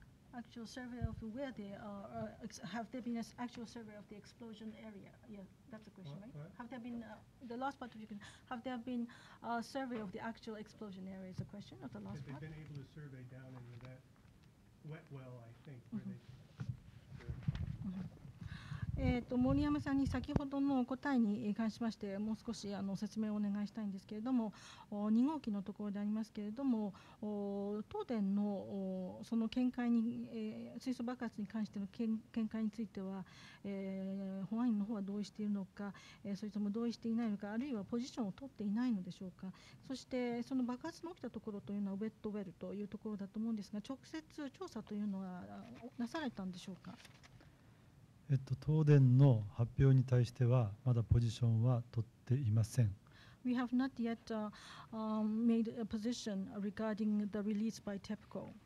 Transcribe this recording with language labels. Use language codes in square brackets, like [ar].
[en] Actual survey of where they are, have there been an actual survey of the explosion area? Yeah, that's the question, right? Have there been, the last part of your question, have there been a survey of the actual explosion area is the question, not the last part? Have they been able to survey down into that wet well, I think, [ja] 森山さんに先ほどの答えに関しましてもう少し説明をお願いしたいんですけれども、2号機のところでありますけれども、東電のその見解に、水素爆発に関しての見解については保安院の方は同意しているのか、それとも同意していないのか、あるいはポジションを取っていないのでしょうか。そしてその爆発の起きたところというのはウェットウェルというところだと思うんですが、直接調査というのはなされたんでしょうか。東電の発表に対してはまだポジションは取っていません。 [en] We have not yet made a position regarding the release by TEPCO.